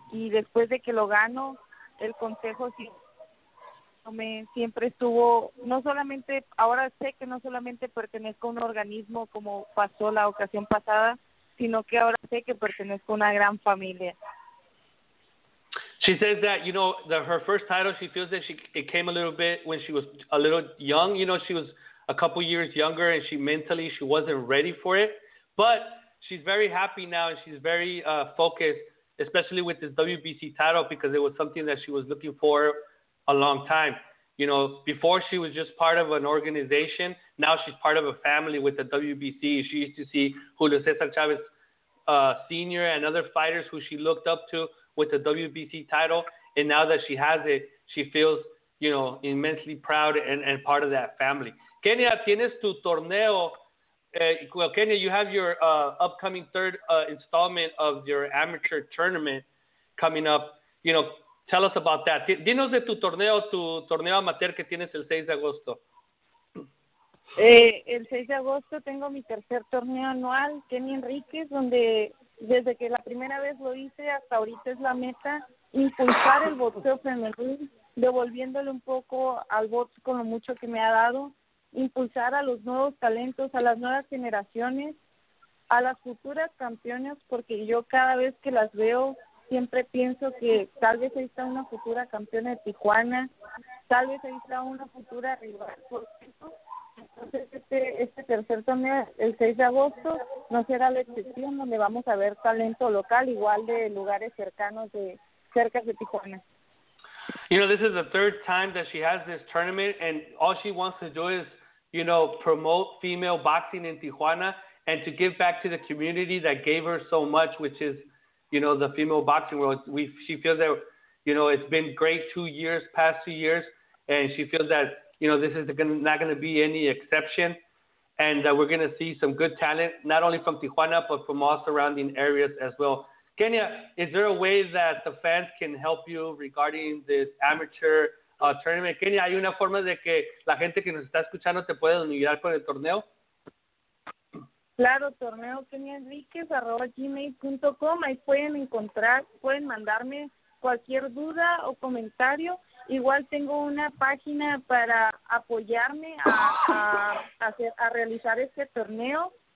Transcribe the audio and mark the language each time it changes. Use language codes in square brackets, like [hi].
[es] Y después de que lo gano, el consejo siempre estuvo, no solamente, ahora sé que no solamente pertenezco a un organismo como pasó la ocasión pasada, sino que ahora sé que pertenezco a una gran familia. [en] She says that, you know, that her first title, she feels that it came a little bit when she was a little young. You know, she was a couple years younger and she mentally wasn't ready for it. But she's very happy now and she's very focused, especially with this WBC title, because it was something that she was looking for a long time. You know, before she was just part of an organization. Now she's part of a family with the WBC. She used to see Julio Cesar Chavez Sr. and other fighters who she looked up to with the WBC title, and now that she has it, she feels, you know, immensely proud and part of that family. [es] Kenia, tienes tu torneo. [en] Well, Kenia, you have your upcoming third installment of your amateur tournament coming up. You know, tell us about that. [es] Dinos de tu torneo amateur que tienes el 6 de agosto. El 6 de agosto tengo mi tercer torneo anual, Kenny Enríquez, donde desde que la primera vez lo hice hasta ahorita es la meta, impulsar el boxeo femenil, devolviéndole un poco al box con lo mucho que me ha dado, impulsar a los nuevos talentos, a las nuevas generaciones, a las futuras campeonas, porque yo cada vez que las veo siempre pienso que tal vez ahí está una futura campeona de Tijuana, tal vez ahí está una futura rival, por ejemplo. Entonces este tercer torneo, el 6 de agosto, no será la excepción, donde vamos a ver talento local, igual de lugares cercanos, de cerca de Tijuana. [en] You know, this is the third time that she has this tournament, and all she wants to do is, you know, promote female boxing in Tijuana and to give back to the community that gave her so much, which is, you know, the female boxing world. She feels that, you know, it's been great past two years, and she feels that, you know, this is not going to be any exception, and that we're going to see some good talent, not only from Tijuana, but from all surrounding areas as well. Kenia, is there a way that the fans can help you regarding this amateur tournament? [es] Kenia, ¿hay una forma de que la gente que nos está escuchando te pueda ayudar con el torneo? Claro, torneo KeniaEnriquez@gmail.com. Ahí pueden encontrar, pueden mandarme cualquier duda o comentario. Igual tengo una página para apoyarme a realizar este torneo.